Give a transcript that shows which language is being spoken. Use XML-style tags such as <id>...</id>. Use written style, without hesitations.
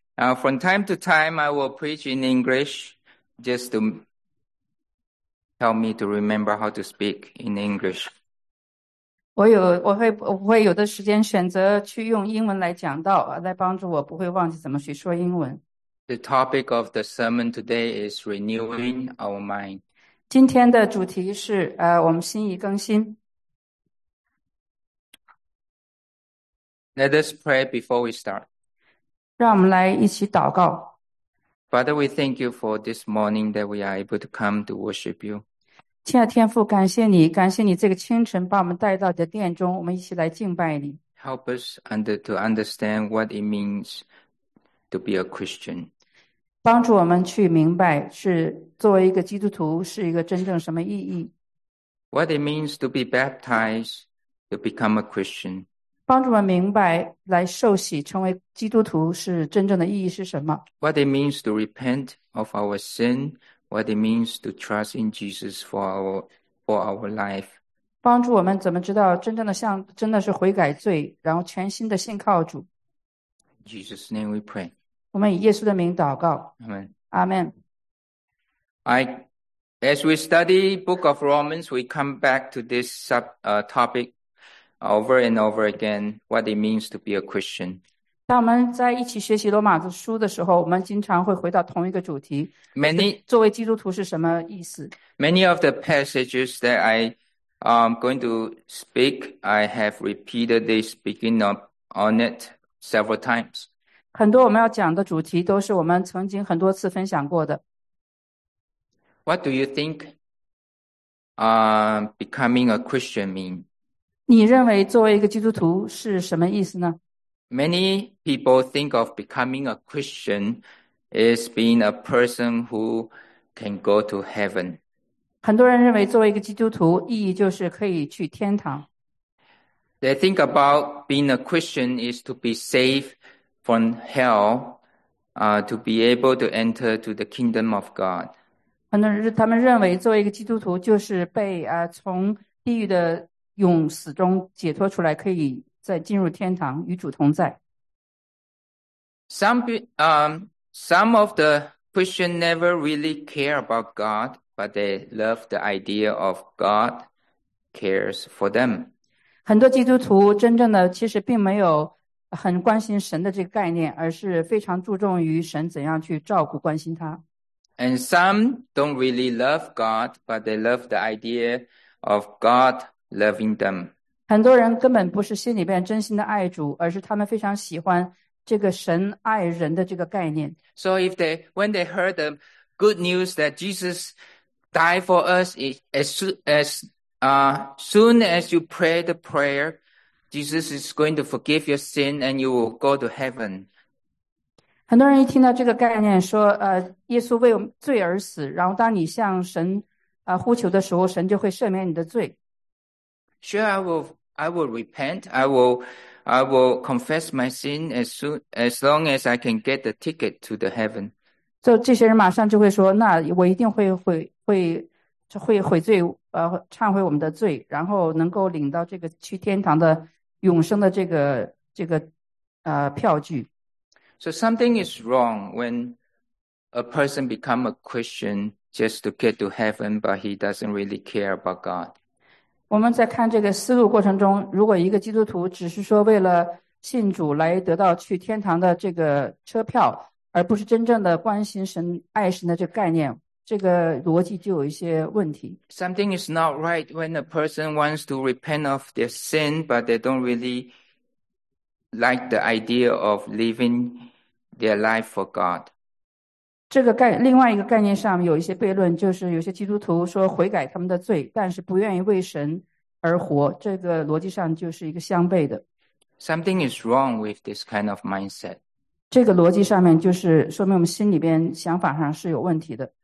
<en>From time to time, I will preach in English just to help me to remember how to speak in English.</en> <zh>我会有的时间选择去用英文来讲道，来帮助我不会忘记怎么去说英文。</zh> <en>The topic of the sermon today is renewing our mind.</en> <zh>今天的主题是我们心意更新。</zh> <en>Let us pray before we start.</en> <zh>让我们来一起祷告。</zh> <en>Father, we thank you for this morning that we are able to come to worship you.</en> <zh>亲爱的天父，感谢你，感谢你这个清晨把我们带到你的殿中，我们一起来敬拜你。</zh> <en>Help us to understand what it means to be a Christian.</en> <zh>帮助我们去明白是作为一个基督徒是一个真正什么意义。</zh> <en>What it means to be baptized to become a Christian.</en> <zh>帮助我们明白来受洗成为基督徒是真正的意义是什么。</zh> <en>What it means to repent of our sin, what it means to trust in Jesus for our life.</en> <zh>帮助我们怎么知道真正的像真的是悔改罪，然后全新的信靠主。</zh> <en>Jesus' name we pray.</en> <zh>我们以耶稣的名祷告。</zh> <en>Amen. Amen. As we study Book of Romans, we come back to this topic. Over and over again, what it means to be a Christian.</en> <zh>当我们在一起学习罗马书的时候，我们经常会回到同一个主题。作为基督徒是什么意思？</zh> <en>Many of the passages that I'm going to speak, I have repeated this beginning on it several times.</en> <zh>很多我们要讲的主题都是我们曾经很多次分享过的。</zh> <en>What do you think, becoming a Christian mean?</en> <zh>你认为作为一个基督徒是什么意思呢？</zh> <en>Many people think of becoming a Christian as being a person who can go to heaven.</en> <zh>很多人认为作为一个基督徒意义就是可以去天堂。</zh> <en>They think about being a Christian is to be saved from hell, to be able to enter to the kingdom of God.</en> <zh>很多人他们认为作为一个基督徒就是被从地狱的永死中解脱出来，可以再进入天堂与主同在。</zh> <en>Some of the Christians never really care about God, but they love the idea of God cares for them.</en> <zh>很多基督徒真正的其实并没有很关心神的这个概念，而是非常注重于神怎样去照顾关心他。</zh> <en>And some don't really love God, but they love the idea of God. Loving them.</en> <zh>很多人根本不是心里边真心的爱主，而是他们非常喜欢这个神爱人的这个概念。</zh> <en>So if they, when they heard the good news that Jesus died for us, soon as you pray the prayer, Jesus is going to forgive your sin and you will go to heaven.</en> <zh>很多人一听到这个概念说耶稣为罪而死，然后当你向神呼求的时候，神就会赦免你的罪。</zh> <en>Sure, I will repent. I will confess my sin as long as I can get the ticket to the heaven.</en> <zh>So, 这些人马上就会说，那我一定会悔罪，忏悔我们的罪，然后能够领到这个去天堂的永生的这个票据。</zh> <en>So something is wrong when a person become a Christian just to get to heaven, but he doesn't really care about God.</en> <zh>我们在看这个思路过程中，如果一个基督徒只是说为了信主来得到去天堂的这个车票，而不是真正的关心神、爱神的这个概念，这个逻辑就有一些问题。</zh> <en>Something is not right when a person wants to repent of their sin, but they don't really like the idea of living their life for God.</en> <zh>另外一个概念上有一些悖论，就是有些基督徒说悔改他们的罪，但是不愿意为神而活，这个逻辑上就是一个相悖的。</zh> <en>Something is wrong with this kind of mindset.</en> <zh>这个逻辑上面就是说明我们心里边想法上是有问题的。</zh>